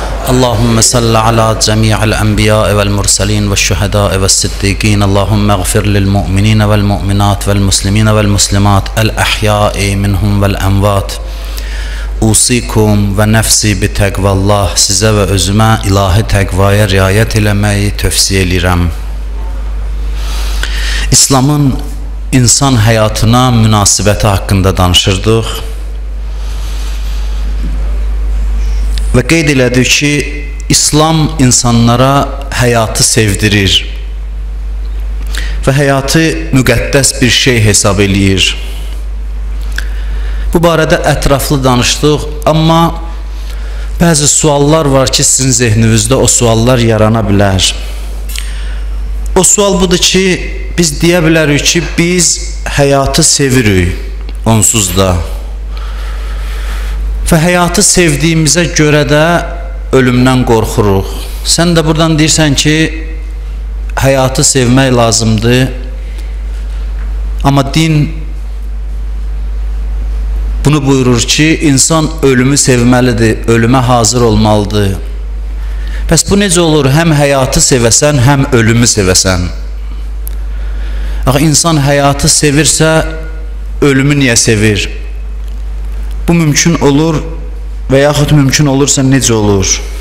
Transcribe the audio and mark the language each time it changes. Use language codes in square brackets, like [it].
[ar] اللهم صل على جميع الأنبياء والمرسلين والشهداء والصديقين اللهم اغفر للمؤمنين والمؤمنات والمسلمين والمسلمات الأحياء منهم والأموات أوصيكم ونفسي بتقوى الله [az] size ve özüme ilahi takvaya riayet etmeyi tavsiye ederim. İslam'ın insan hayatına münasebeti hakkında danışırdık. Ve qeyd elədi ki, İslam insanlara həyatı sevdirir və həyatı müqəddəs bir şey hesab eləyir. Bu barədə ətraflı danışdıq, amma bəzi suallar var ki, sizin zehninizdə o suallar yarana bilər. O sual budur ki, biz deyə bilərik ki, biz həyatı sevirik onsuz da. Və həyatı sevdiyimizə görə də ölümdən qorxuruq. Sən də buradan deyirsən ki, həyatı sevmək lazımdır. Amma din bunu buyurur ki, insan ölümü sevməlidir, ölümə hazır olmalıdır. Bəs bu necə olur? Həm həyatı sevəsən, həm ölümü sevəsən. İnsan həyatı sevirsə, ölümü niyə sevir? Bu mümkün olur və yaxud mümkün olursa necə olur?